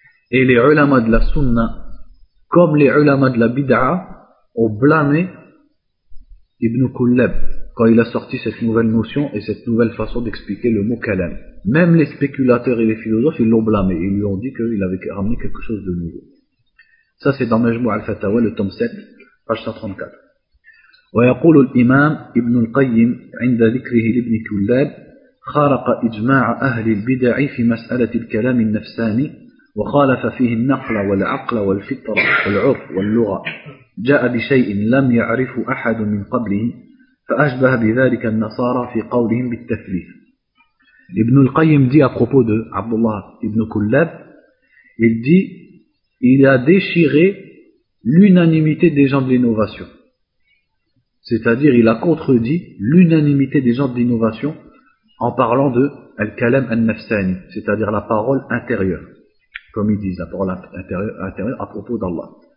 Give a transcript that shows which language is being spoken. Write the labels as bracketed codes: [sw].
[fr] Et les ulama de la sunna, comme les ulama de la bid'a, ont blâmé Ibn Kullab quand il a sorti cette nouvelle notion et cette nouvelle façon d'expliquer le mot kalam. Même les spéculateurs et les philosophes, ils l'ont blâmé. Ils lui ont dit qu'il avait ramené quelque chose de nouveau. Ça, c'est dans Majmou' al-Fatawa, le tome 7, page 134. [ar] ويقول الإمام ابن القيم عند ذكره لابن كلاب خارق إجماع أهل البدع في مسألة الكلام النفساني وخالف فيه النقل والعقل والفطرة والعرف واللغة جاء بشيء لم يعرف أحد من قبله فأشبه بذلك النصارى في قولهم بالتفليف. [fr] ابن القيم dit à propos de Abdullah ibn Kullab, il dit, il a déchiré l'unanimité des gens de l'innovation. C'est-à-dire, il a contredit l'unanimité des gens de l'innovation en parlant de al-kalam al-nafsani, c'est-à-dire la parole intérieure, comme ils disent, la parole intérieure à propos d'Allah.